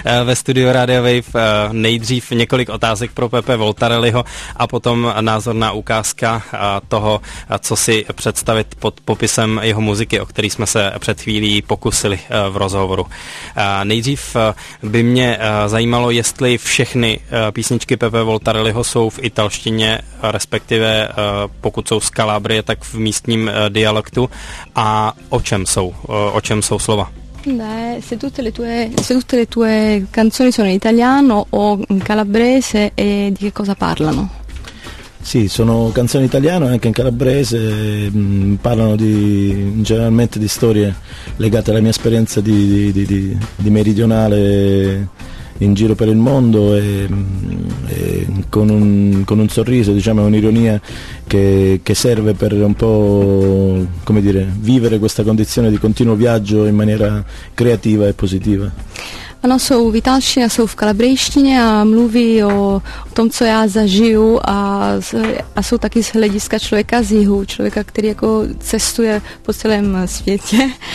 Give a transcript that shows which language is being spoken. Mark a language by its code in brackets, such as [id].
[cs] Ve studiu Radio Wave nejdřív několik otázek pro Pepe Voltarelliho a potom názorná ukázka toho, co si představit pod popisem jeho muziky, o který jsme se před chvílí pokusili v rozhovoru. Nejdřív by mě zajímalo, jestli všechny písničky Pepe Voltarelliho jsou v italštině, respektive pokud jsou z Kalábrie, tak v místním dialektu, a o čem jsou slova? [it] Beh, se tutte le tue canzoni sono in italiano o in calabrese, e di che cosa parlano? Sì, sono canzoni italiane anche in calabrese, parlano di generalmente di storie legate alla mia esperienza di meridionale in giro per il mondo, e con un sorriso, diciamo, un'ironia che serve per un po', come dire, vivere questa condizione di continuo viaggio in maniera creativa e positiva. [cs] Ano, jsou v italštině, jsou v kalabrejštině a mluví o tom, co já zažiju, a jsou taky z hlediska člověka z jihu, člověka, který jako cestuje po celém světě.